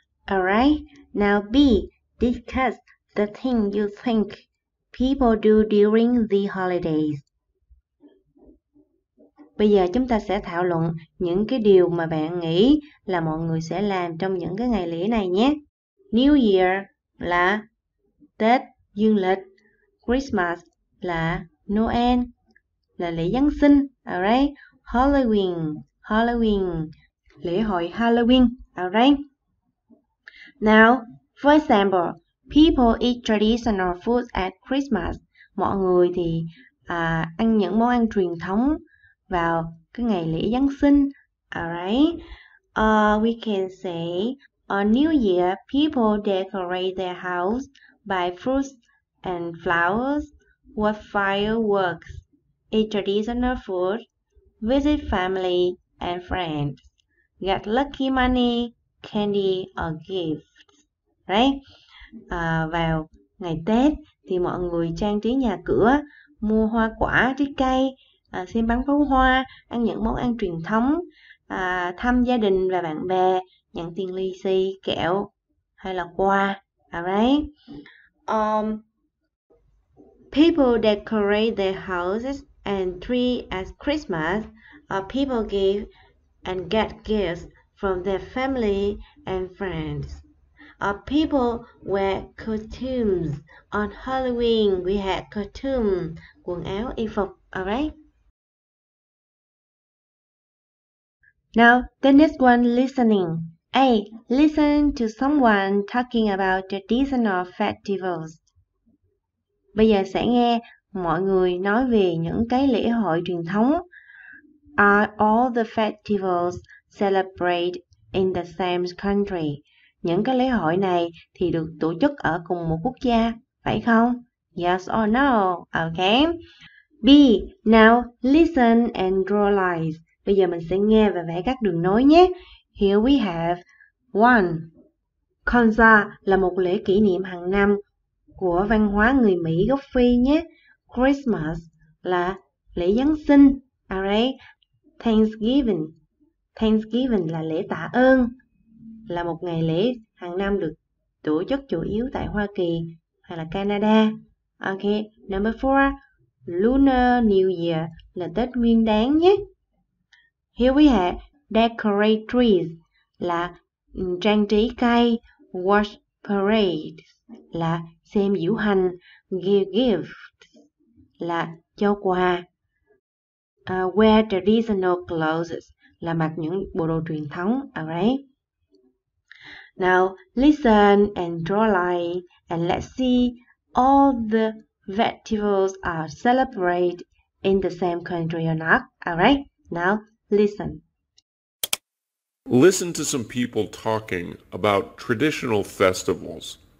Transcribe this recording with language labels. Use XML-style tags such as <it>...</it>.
<en>Alright, now B, discuss the thing you think people do during the holidays.</en> <vi>Bây giờ chúng ta sẽ thảo luận những cái điều mà bạn nghĩ là mọi người sẽ làm trong những cái ngày lễ này nhé. New Year là Tết Dương Lịch, Christmas là Noel, là lễ Giáng sinh,</vi> <en>alright?</en> <vi>Halloween, Halloween, lễ hội Halloween,</vi> <en>alright? Now, for example, people eat traditional food at Christmas.</en> <vi>Mọi người thì ăn những món ăn truyền thống vào cái ngày lễ Giáng sinh.</vi> <en>Alright. We can say, on New Year, people decorate their house by fruits and flowers, watch fireworks, eat traditional food, visit family and friends, get lucky money, candy or gift. Right?</en> <vi>Vào ngày Tết thì mọi người trang trí nhà cửa, mua hoa quả, trái cây, xem bắn pháo hoa, ăn những món ăn truyền thống, thăm gia đình và bạn bè, nhận tiền lì xì, kẹo hay là quà.</vi> <en>Alright? People decorate their houses and tree at Christmas. People give and get gifts from their family and friends. People wear costumes on Halloween. We have costume,</en> <vi>quần áo, y phục.</vi> <en>Alright. Now the next one, listening. A. Listen to someone talking about traditional festivals.</en> <vi>Bây giờ sẽ nghe mọi người nói về những cái lễ hội truyền thống.</vi> <en>Are all the festivals celebrated in the same country?</en> <vi>Những cái lễ hội này thì được tổ chức ở cùng một quốc gia, phải không?</vi> <en>Yes or no? Okay. B. Now listen and draw lines.</en> <vi>Bây giờ mình sẽ nghe và vẽ các đường nối nhé.</vi> <en>Here we have 1.</en> <vi>Kwanzaa là một lễ kỷ niệm hàng năm của văn hóa người Mỹ gốc Phi nhé. Christmas là lễ Giáng sinh.</vi> <en>Alright.</en> <vi>Thanksgiving. Thanksgiving là lễ tạ ơn. Là một ngày lễ hàng năm được tổ chức chủ yếu tại Hoa Kỳ hay là Canada.</vi> <en>Ok, number 4, Lunar New Year</en> <vi>là Tết Nguyên Đán nhé.</vi> <en>Here we have decorate trees</en> <vi>là trang trí cây,</vi> <en>watch parade</en> <vi>là xem diễu hành,</vi> <en>give gifts</en> <vi>là cho quà,</vi> <en>wear traditional clothes</en> <vi>là mặc những bộ đồ truyền thống,</vi> <en>alright? Now listen and draw line and let's see all the festivals are celebrated in the same country or not. All right, now listen. Listen to some people talking about traditional festivals.</en>